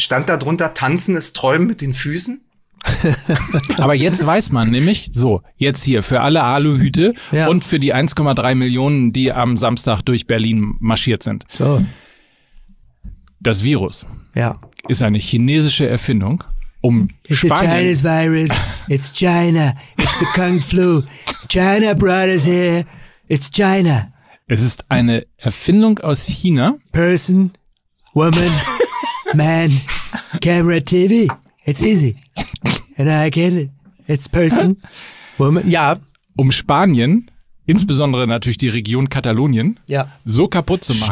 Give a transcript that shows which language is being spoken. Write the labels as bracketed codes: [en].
[de] Stand da drunter, tanzen ist träumen mit den Füßen? Aber jetzt weiß man nämlich, so, jetzt hier für alle Aluhüte und für die 1,3 Millionen, die am Samstag durch Berlin marschiert sind. So. Das Virus ist eine chinesische Erfindung. [en] It's the Chinese virus, it's China, it's the Kung Flu, China brothers here, it's China. [de] Es ist eine Erfindung aus China. [en] Person, woman, man, camera, TV, it's easy. And I can, it's person, woman, [de] Um Spanien, insbesondere natürlich die Region Katalonien, so kaputt zu machen.